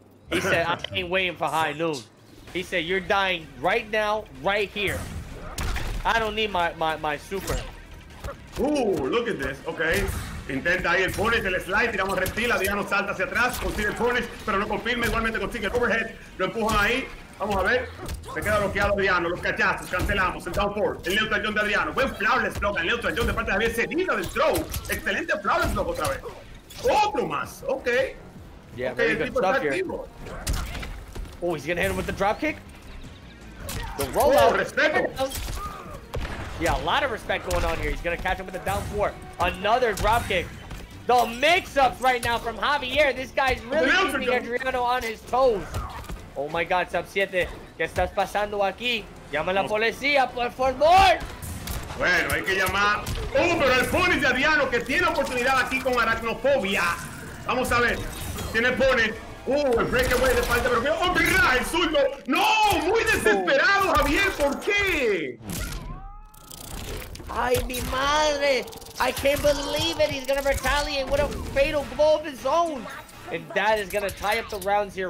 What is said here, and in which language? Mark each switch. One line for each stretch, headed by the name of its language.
English: He said, I ain't waiting for high noon. He said, you're dying right now, right here. I don't need my super. Ooh, look at this. Okay.
Spanish: Intenta ahí el punish, el slide, tiramos reptil, Adriano salta hacia atrás, consigue el punish, pero no confirma, igualmente consigue el overhead, lo empujan ahí, vamos a ver, se queda bloqueado Adriano, los cachazos, cancelamos, el down forward, el neutral jump de Adriano, buen flawless block, el neutral jump de parte de Javier, seguida del throw, excelente flawless block otra vez, otro más, ok, yeah, ok, el tipo está activo.
English: Oh, he's gonna hit him with the drop kick, the rollout,
Spanish: respeto.
English: Yeah, a lot of respect going on here. He's gonna catch him with a down four. Another drop kick. The mix-ups right now from Javier. This guy's really keeping Adriano on his toes. Oh my god,
Spanish: Sub 7. ¿Qué estás pasando aquí? Llama a la policía, por favor. Bueno, hay que llamar. Oh, pero el punish de Adriano que tiene oportunidad aquí con aracnofobia. Vamos a ver. Tiene punish. El breakaway de falta, pero oh, mira, el suyo. No, muy desesperado, Javier. ¿Por qué? Ay, mi madre!
English: I can't believe it! He's gonna retaliate with a fatal blow of his own! And that is gonna tie up the rounds here.